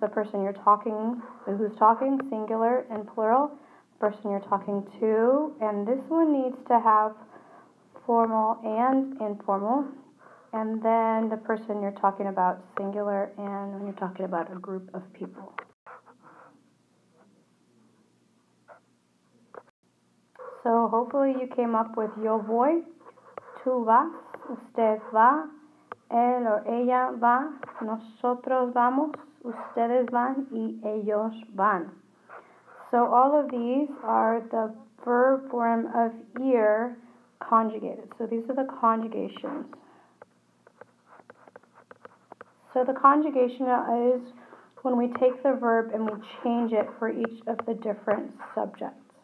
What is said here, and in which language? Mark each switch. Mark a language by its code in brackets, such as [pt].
[en] The person you're talking, who's talking, singular and plural, the person you're talking to, and this one needs to have formal and informal. And then the person you're talking about, singular, and when you're talking about a group of people. So hopefully you came up with [es] yo voy, tú vas, usted va, él o ella va, nosotros vamos, ustedes van, y ellos van. [en] So all of these are the verb form of ir conjugated. So these are the conjugations. So the conjugation is when we take the verb and we change it for each of the different subjects.